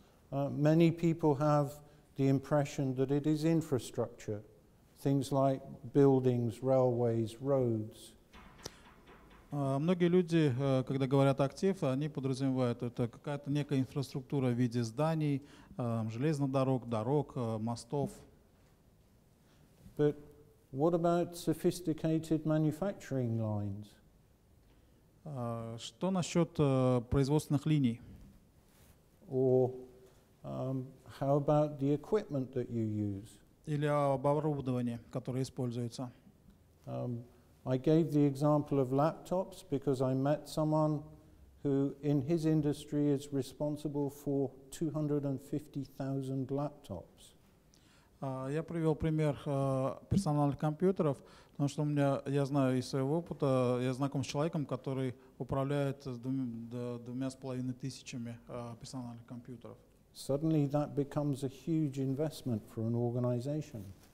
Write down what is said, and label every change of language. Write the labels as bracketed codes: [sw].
[en] Many people have the impression that it is infrastructure, things like buildings, railways, roads. [ru] Многие люди, когда говорят «актив», они подразумевают, это какая-то некая инфраструктура в виде зданий, железных дорог, дорог, мостов. [en] But what about sophisticated manufacturing lines? [ru] Что насчет производственных линий? [en] Or how about the equipment that you use? [ru] Или об оборудовании, которое используется. [en] I gave the example of laptops because I met someone who in his industry is responsible for 250,000 laptops. [ru] Я привел пример персональных компьютеров, потому что у меня, я знаю из своего опыта, я знаком с человеком, который управляет двумя с половиной тысячами персональных компьютеров. [en] Suddenly that becomes a huge investment for an organization.